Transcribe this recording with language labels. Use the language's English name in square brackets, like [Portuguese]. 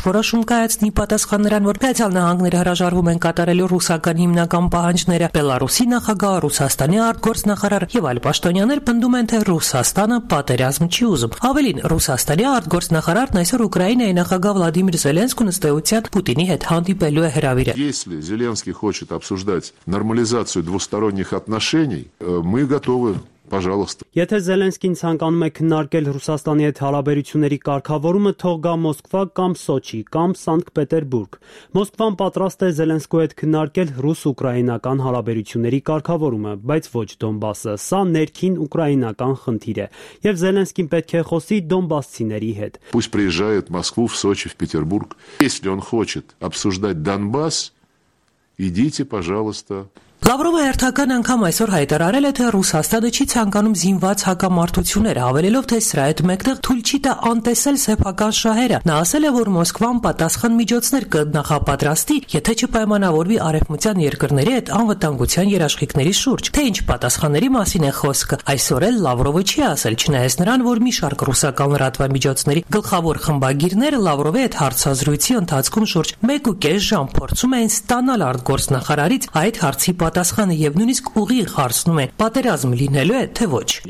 [Armenian] որոշում կայացնի պատասխան նրան, որ Միացյալ Նահանգները հրաժարվում են կատարելու ռուսական հիմնական պահանջները, Բելարուսի նախագահ, Ռուսաստանի արտգործնախարար եւ այլ պաշտոնյաներ պնդում են, թե Ռուսաստանը պատերազմ չի ուզում։ Ավելին, Ռուսաստանի արտգործնախարարն այսօր Ուկրաինայի նախագահ Վլադիմիր Զելենսկու նստեության Պուտինի հետ հանդիպելու է հրավիրել։ Եթե [Russian] Զելենսկի хочет обсуждать нормализацию двусторонних отношений, мы готовы. Пожалуйста. [Armenian] Եթե Զելենսկին ցանկանում է քննարկել Ռուսաստանի հետ հարաբերությունների կարգավորումը, թող գա Մոսկվա կամ Սոչի կամ Սանկտպետերբուրգ։ Մոսկվան պատրաստ է Զելենսկու հետ քննարկել ռուս-ուկրաինական հարաբերությունների կարգավորումը, բայց ոչ Դոնբասը, սա ներքին ուկրաինական խնդիր է, եւ Զելենսկին պետք է խոսի Դոնբասցիների հետ։ [Russian] Пусть приезжает в Москву, в Сочи, в Петербург, если он хочет обсуждать Донбасс, идите, пожалуйста. [Armenian] Լավրովը հերթական անգամ այսօր հայտարարել է, թե Ռուսաստանը չի ցանկանում զինված հակամարտություններ, ավելելով, թե սրա հետ մեկտեղ թույլ չի տա անտեսել սեփական շահերը։ Նա ասել է, որ Մոսկվան պատասխան միջոցներ կնախապատրաստի, եթե չպայմանավորվի արևմտյան երկրների հետ անվտանգության երաշխիքների շուրջ։ Թե ինչ պատասխանների մասին է խոսքը, այսօր էլ Լավրովը չի ասել, չնայած նրան, որ մի շարք ռուսական լրատվամիջոցների գլխավոր խմբագիրները Լավրովի հետ հարցազրույցի ընթացքում շուրջ 1.5 ժամ փորձում էին ստանալ արտգործնախարարից այդ հարցի պատասխանը, եւ նույնիսկ ուղի խարցնում է, պատերազմ լինելու է թե ոչ։